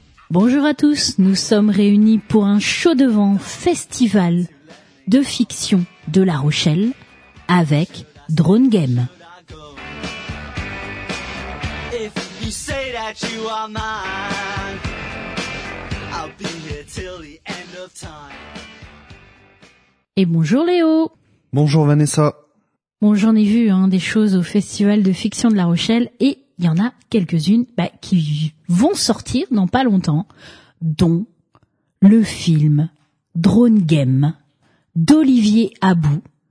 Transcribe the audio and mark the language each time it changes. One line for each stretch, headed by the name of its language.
French: Bonjour à tous, nous sommes réunis pour un chaud devant festival de fiction de La Rochelle avec Drone Game.
English: If you say that you are mine, I'll be here till the end of time.
French: Et bonjour Léo. Bonjour Vanessa. Bon, j'en ai vu hein, des choses au festival de fiction de La Rochelle et il y en a quelques-unes qui vont sortir dans pas longtemps, dont le film Drone Game d'Olivier Abou.